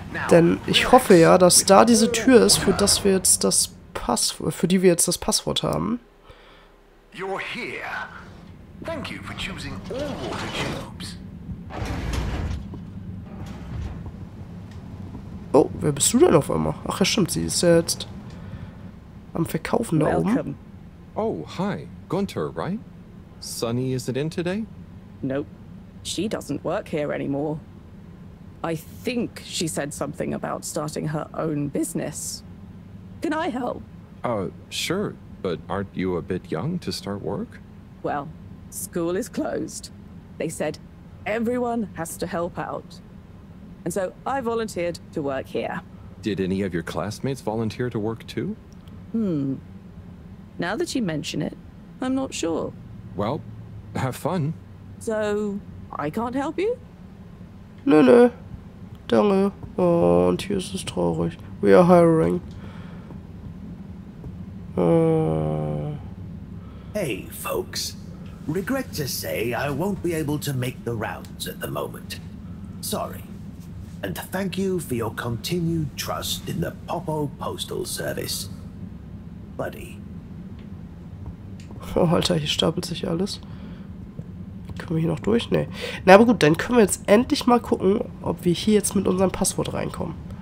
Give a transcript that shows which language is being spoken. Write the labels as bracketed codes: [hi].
[de] Denn ich hoffe ja, dass da diese Tür ist, für das wir jetzt das Passwort, für die wir jetzt das Passwort haben. [en] You're here. Thank you for choosing all water tubes. [de] Oh, wer bist du denn auf einmal? Ach ja, stimmt, sie ist ja jetzt am Verkaufen da oben. [en] Oh, hi. Gunther, right? Sunny isn't in today? Nope. She doesn't work here anymore. I think she said something about starting her own business. Can I help? Sure. But aren't you a bit young to start work? Well, school is closed. They said everyone has to help out. And so I volunteered to work here. Did any of your classmates volunteer to work too? Now that you mention it, I'm not sure. Well, have fun. So, I can't help you? [de] Nö, nö. Danke. Oh, und hier ist es traurig. [en] We are hiring. Oh. Hey, folks. Regret to say I won't be able to make the rounds at the moment. Sorry. And thank you for your continued trust in the Popo Postal Service. Buddy. [de] Oh, Alter, hier stapelt sich alles. Können wir hier noch durch? Nee. Na, aber gut, dann können wir jetzt endlich mal gucken, ob wir hier jetzt mit unserem Passwort reinkommen.